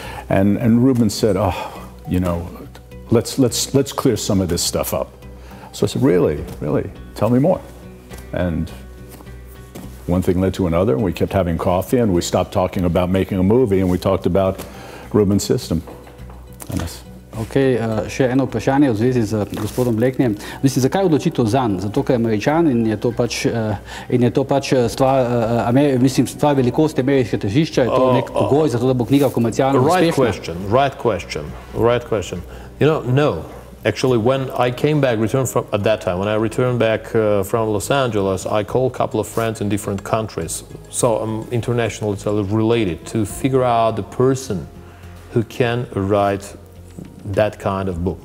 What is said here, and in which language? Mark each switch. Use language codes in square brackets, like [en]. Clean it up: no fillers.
[en] And Ruben said, oh, you know, let's clear some of this stuff up. So I said, really, really, tell me more. And one thing led to another and we kept having coffee and we stopped talking about making a movie and we talked about Ruben's system. [sl] Okay, še eno vprašanje v zvezi z gospodom Blakeneyjem. Mislim, zakaj odločitev zanj? Zato, ker je Američan in je to pač, stvar velikosti ameriškega težišča, je to nek pogoj za to, da bo knjiga komercijalno uspešna? [en] Right question. You know, no. Actually, when I came back, from Los Angeles, I called a couple of friends in different countries. So I'm internationally related to figure out the person who can write that kind of book.